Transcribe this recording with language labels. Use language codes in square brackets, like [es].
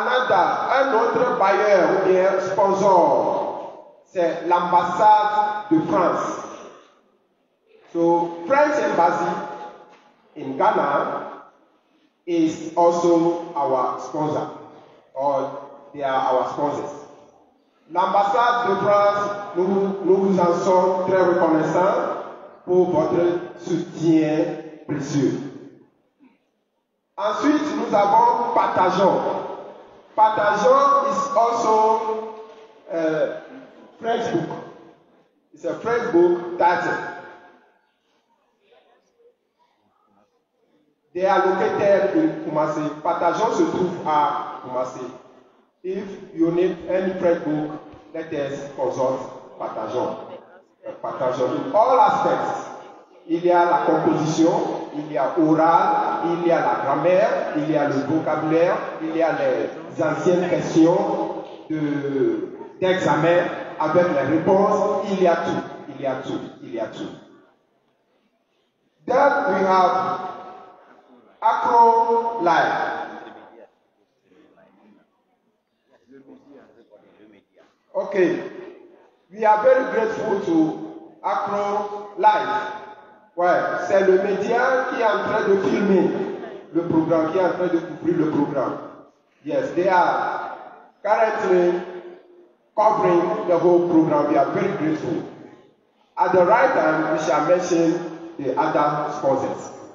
[fr] Un autre bailleur ou bien sponsor, c'est l'ambassade de France. [en] So, French Embassy in Ghana is also our sponsor, or they are our sponsors. [fr] L'ambassade de France, nous vous en sommes très reconnaissants pour votre soutien précieux. Ensuite, nous avons [en] Partageons. Partageons is also a French book. It's a French book title. They are located in Kumasi. [fr] Partageons se trouve à Kumasi. [en] If you need any French book, let us consult Partageons. Partageons in all aspects. [fr] Il y a la composition, il y a oral, il y a la grammaire, il y a le vocabulaire, il y a les anciennes questions d'examen avec les réponses, il y a tout, il y a tout, il y a tout. [en] Then we have AcroLive. Okay, we are very grateful to AcroLive. [fr] Ouais, c'est le média qui est en train de filmer le programme, qui est en train de couvrir le programme. [en] Yes, they are currently covering the whole programme. We are very grateful. At the right time, we shall mention the other sponsors.